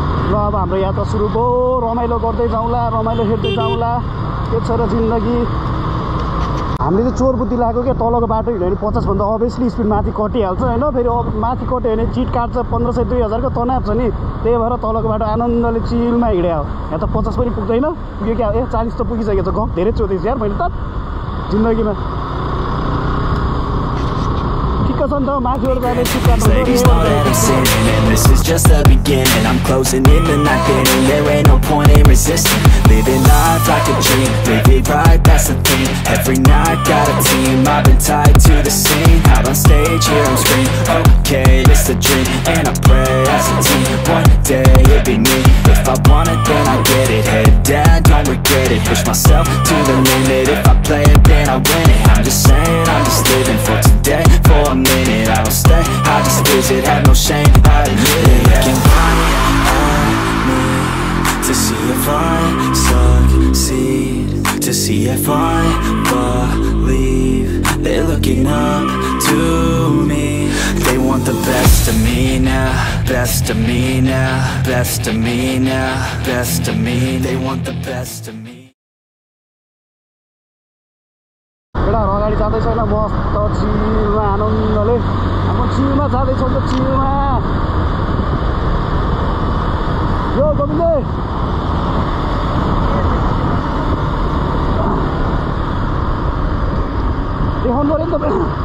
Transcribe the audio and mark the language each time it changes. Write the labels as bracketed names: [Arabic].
[Nepali] ल अब हाम्रो यात्रा सुरु भयो रमाइलो गर्दै जाउँला रमाइलो हेर्दै जाउँला के छ र जिन्दगी हामीले चाहिँ चोर बुद्धि लगाएको क्या तलको बाटो हिँड्यो भने 50 अभियसली स्पिड माथि कटिहाल्छ होइन फेरि अब माथि कट्यो भने चिट काट्छ 1500-2000 तनाव्छ नि त्यही भएर तलको बाटो आनन्दले चिलमा हिँड्यो यहाँ त 50 पनि पुग्दैन यो क्या ए 40 त पुगिसकेको छ गफ धेरै चोतेछु यार मैले त जिन्दगीमा [English] This is just the beginning. I'm closing in the night getting. There ain't no point in resisting. Living life like a dream. Living right, that's the thing. Every night got a team. I've been tied to the scene. Out on stage, here on screen. Okay, it's a dream. And I pray as a team. One day it'd be me. If I want it, then I get it. Head down, don't regret it. Push myself to the limit. If I play it, then I win it. I'm just saying, I'm just living for today. For a minute. I don't stay, I just lose it, have no shame, I admit it. Looking high at me, to see if I succeed, to see if I believe. They're looking up to me, they want the best of me now, best of me now, best of me now, best of me. They want the best of me. [Nepali] अगाडि जाँदैछ होइन मस्त चिलमा आनन्दले अब चिलमा जाँदैछ त चिलमा यो गोविन्द देखाउनु पऱ्यो नि त